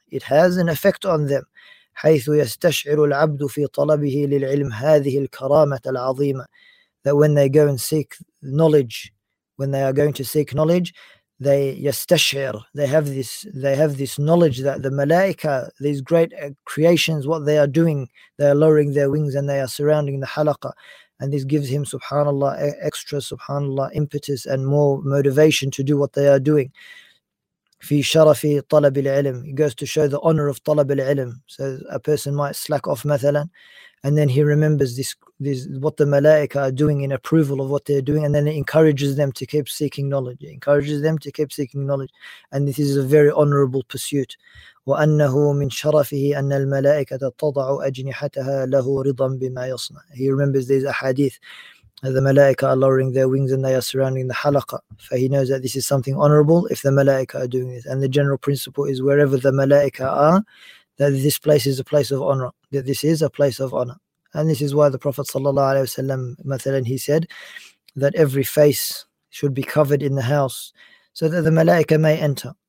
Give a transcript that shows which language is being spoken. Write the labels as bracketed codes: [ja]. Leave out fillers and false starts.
[en] It has an effect on them. [ar] حيث يستشعر العبد في طلبه للعلم هذه الكرامة العظيمة, [en] that when they go and seek knowledge, when they are going to seek knowledge, they يستشعر, they have this knowledge that the malaika, these great creations, what they are doing, they are lowering their wings and they are surrounding the halaqa, and this gives him subhanallah extra subhanallah impetus and more motivation to do what they are doing. [ar] في شرف طلب العلم, [en] it goes to show the honor of طلب العلم. So a person might slack off مثلا, and then he remembers this what the malaika are doing in approval of what they're doing, and then it encourages them to keep seeking knowledge. It encourages them to keep seeking knowledge, and this is a very honorable pursuit. [ar] وأنه من شرفه أن الملائكة تضع أجنحتها له رضا بما يصنع. [en] He remembers these ahadith. The malaika are lowering their wings and they are surrounding the halaqa. For he knows that this is something honorable if the malaika are doing this. And the general principle is wherever the malaika are, that this place is a place of honor, that this is a place of honor. And this is why the Prophet sallallahu alaihi wasallam, mathalan, he said that every face should be covered in the house so that the malaika may enter.